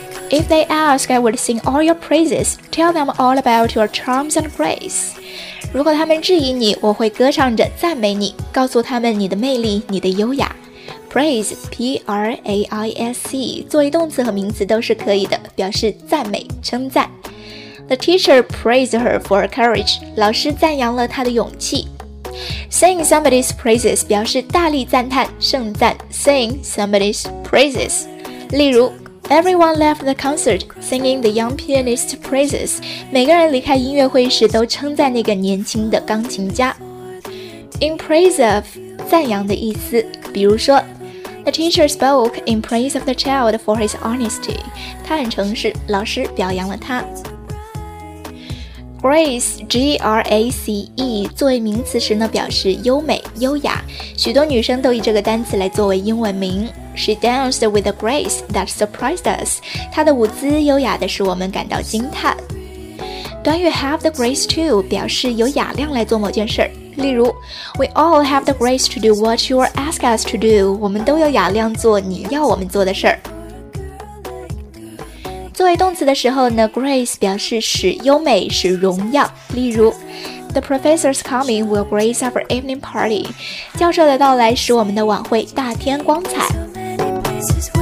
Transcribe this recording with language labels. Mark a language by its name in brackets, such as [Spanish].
[English] If they ask, I would sing all your praises. Tell them all about your charms and grace. [Chinese] 如果他们质疑你，我会歌唱着赞美你，告诉他们你的魅力，你的优雅。 Praise, P-R-A-I-S-E， 作为动词和名词都是可以的，表示赞美、称赞。 [English] The teacher praised her for her courage. [Chinese] 老师赞扬了她的勇气。 [English] Sing somebody's praises [Chinese] 表示大力赞叹、盛赞。 [English] Sing somebody's praises. 例如 ，Everyone left the concert singing the young pianist's praises. [Chinese] 每个人离开音乐会时都称赞那个年轻的钢琴家。 [English] In praise of [Chinese] 赞扬的意思，比如说 [English] ，The teacher spoke in praise of the child for his honesty. [Chinese] 他很诚实，老师表扬了他。 [English] Grace, G-R-A-C-E, [Chinese] 作为名词时呢，表示优美、优雅。许多女生都以这个单词来作为英文名。 [English] She danced with a grace that surprised us. [Chinese] 她的舞姿优雅的使我们感到惊叹。短语 [English] have the grace to [Chinese] 表示有雅量来做某件事。 [English] 例如 We all have the grace to do what you ask us to do. [Chinese] 我们都有雅量做你要我们做的事。作为动词的时候呢， grace 表示使优美、使荣耀。 [English] 例如 The professor's coming will grace our evening party. [Chinese] 教授的到来使我们的晚会大添光彩。